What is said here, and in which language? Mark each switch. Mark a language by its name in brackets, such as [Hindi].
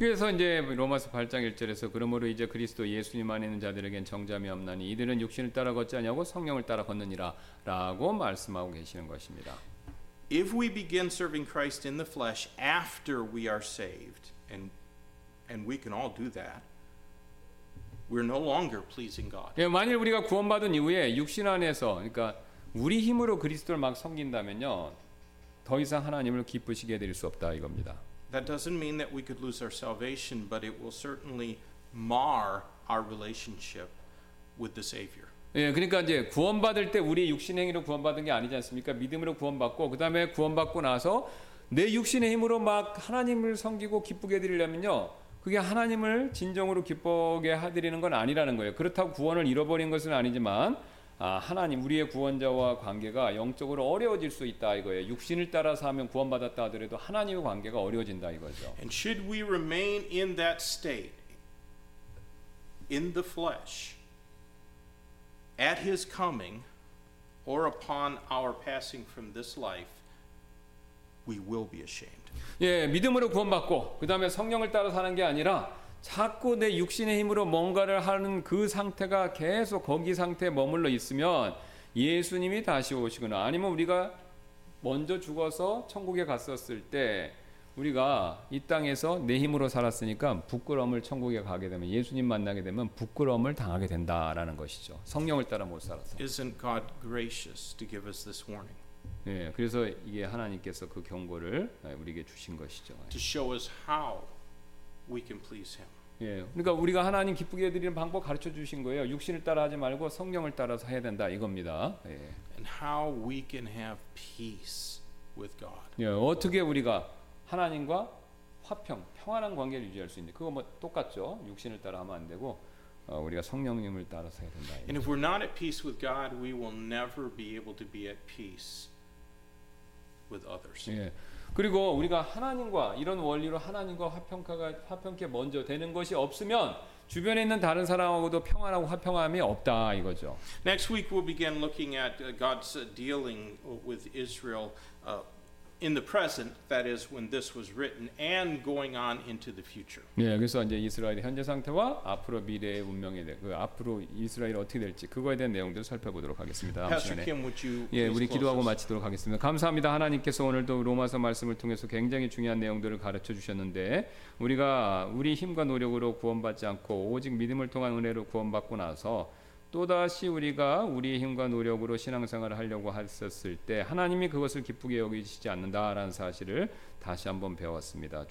[Korean] 그래서 이제 로마서 8장 1절에서 그러므로 이제 그리스도 예수님 안에 있는 자들에게는 정죄함이 없나니 이들은 육신을 따라 걷지 아니하고 성령을 따라 걷느니라라고 말씀하고 계시는 것입니다. [English] If we begin serving Christ in the flesh after we are saved and we can all do that, we're no longer pleasing God. [Korean] 예, 만일 우리가 구원받은 이후에 육신 안에서 그러니까 우리 힘으로 그리스도를 막 섬긴다면요. 더 이상 하나님을 기쁘시게 해 드릴 수 없다 이겁니다. [English] That doesn't mean that we could lose our salvation, but it will certainly mar our relationship with the Savior. [Korean] 예, 그러니까 이제 구원받을 때 우리 육신 행위로 구원받은 게 아니지 않습니까? 믿음으로 구원받고 그다음에 구원받고 나서 내 육신의 힘으로 막 하나님을 섬기고 기쁘게 드리려면요. 그게 하나님을 진정으로 기쁘게 해드리는 건 아니라는 거예요. 그렇다고 구원을 잃어버린 것은 아니지만 아, 하나님 우리의 구원자와 관계가 영적으로 어려워질 수 있다 이거예요. 육신을 따라서 하면 구원받았다 하더라도 하나님의 관계가 어려워진다 이거죠. [English] And should we remain in that state in the flesh at his coming or upon our passing from this life, we will be ashamed. [Korean] 예, 믿음으로 구원받고 그다음에 성령을 따라 사는 게 아니라 자꾸 내 육신의 힘으로 뭔가를 하는 그 상태가 계속 거기 상태에 머물러 있으면 예수님이 다시 오시거나 아니면 우리가 먼저 죽어서 천국에 갔었을 때 우리가 이 땅에서 내 힘으로 살았으니까 부끄러움을 천국에 가게 되면 예수님 만나게 되면 부끄러움을 당하게 된다라는 것이죠. 성령을 따라 못 살아서. [English] Isn't God gracious to give us this warning? [Korean] 예, 그래서 이게 하나님께서 그 경고를 우리에게 주신 것이죠. [English] To show us how we can please him. [Korean] 예, 그러니까 우리가 하나님 기쁘게 해드리는 방법 가르쳐 주신 거예요. 육신을 따라 하지 말고 성령을 따라서 해야 된다 이겁니다. 예. [English] And how we can have peace with God. [Korean] 예, 어떻게 우리가 하나님과 화평, 평안한 관계를 유지할 수 있는지. 그거 뭐 똑같죠. 육신을 따라 하면 안 되고 우리가 성령님을 따라서 해야 된다. 이거. [English] And if we're not at peace with God, we will never be able to be at peace with others. [Korean] 예. 그리고 우리가 하나님과 이런 원리로 하나님과 화평케 먼저 되는 것이 없으면 주변에 있는 다른 사람하고도 평안하고 화평함이 없다 이거죠. [English] Next week we'll begin looking at God's dealing with Israel in the present, that is when this was written, and going on into the future. [Korean] 네, 그래서 이제 이스라엘의 현재 상태와 앞으로 미래의 운명에 대해 그 앞으로 이스라엘이 어떻게 될지 그거에 대한 내용들 살펴보도록 하겠습니다. 다음 [English] Pastor [Korean] 시간에. [English] Kim, would you [Korean] 예, 우리 기도하고 마치도록 하겠습니다. 감사합니다. 하나님께서 오늘도 로마서 말씀을 통해서 굉장히 중요한 내용들을 가르쳐 주셨는데 우리가 우리 힘과 노력으로 구원받지 않고 오직 믿음을 통한 은혜로 구원받고 나서 또다시 우리가 우리의 힘과 노력으로 신앙생활을 하려고 했었을 때 하나님이 그것을 기쁘게 여기시지 않는다라는 사실을 다시 한번 배웠습니다.